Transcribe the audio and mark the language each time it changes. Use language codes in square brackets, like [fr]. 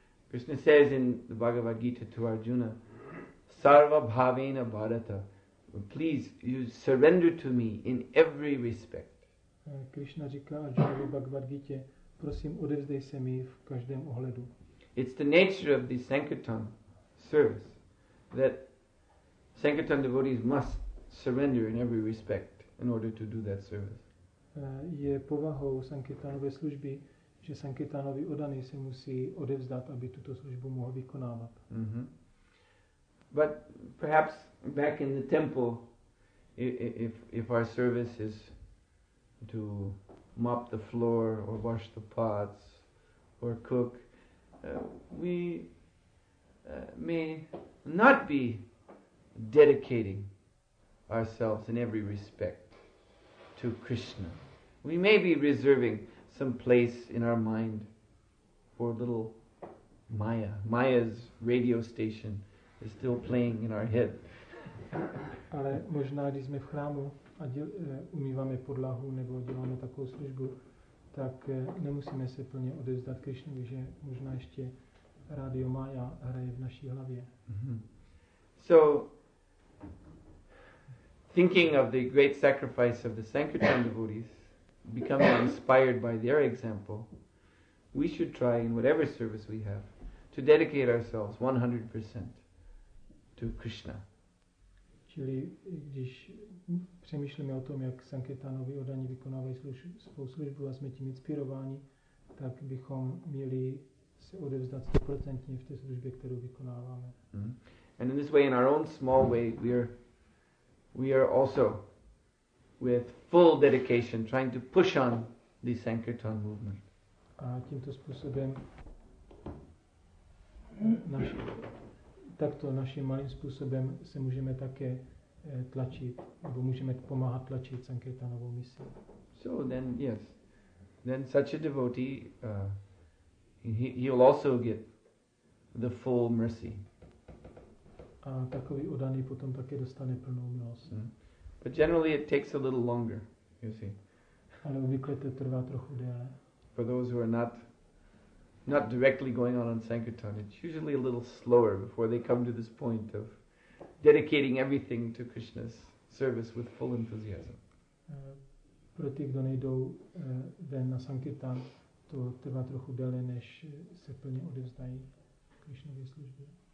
[en] Krishna says in the Bhagavad Gita to Arjuna, [sa] Sarva Bhavena Bharata, [en] please you surrender to me in every respect. [cs] Krishna říká Arjuna v Bhagavad Gita, prosím odevzdej se mi v každém ohledu. [en] It's the nature of the sankirtan service that sankirtan devotees must surrender in every respect in order to do that service. [cs] Je povahou sankirtanové služby, že sankirtanový odaný se musí odevzdat, aby tuto službu mohl vykonávat. Mm-hmm. [en] But perhaps back in the temple, if our service is to mop the floor or wash the pots or cook, we may not be dedicating ourselves in every respect to Krishna. We may be reserving some place in our mind for little Maya. Maya's radio station is still playing in our head. [cs] Ale možná, když jsme v chrámu a umýváme podlahu nebo děláme takovou službu, tak nemusíme se plně odevzdat Krishnovi, že možná ještě Radio Maya hraje v naší hlavě. Mm-hmm. [en] So, thinking of the great sacrifice of the sankirtan devotees, becoming inspired by their example, we should try in whatever service we have to dedicate ourselves 100% to Krishna. [cs] Čili když přemýšlíme o tom, jak sankirtanoví odaní vykonávají svou službu a jsme tím inspirováni, tak bychom měli se odevzdat 100% v té službě, kterou vykonáváme. Mm-hmm. [en] And in this way, in our own small way, we are also with full dedication trying to push on the sankirtan movement. [cs] A tímto způsobem naším malým způsobem se můžeme také tlačit, nebo můžeme pomáhat tlačit sankirtanovou misi. [en] So then, yes. Then such a devotee, he'll also get the full mercy. [cs] A takový odaný potom také dostane plnou milost. Mm. [en] But generally it takes a little longer, you see. [cs] Ale obvykle to trvá trochu déle. [en] For those who are not directly going on sankirtan, it's usually a little slower before they come to this point of dedicating everything to Krishna's service with full enthusiasm. [cs] Pro ty, kdo nejdou ven na sankirtan, to trvá trochu déle, než se plně odevzdají Krishnově službě.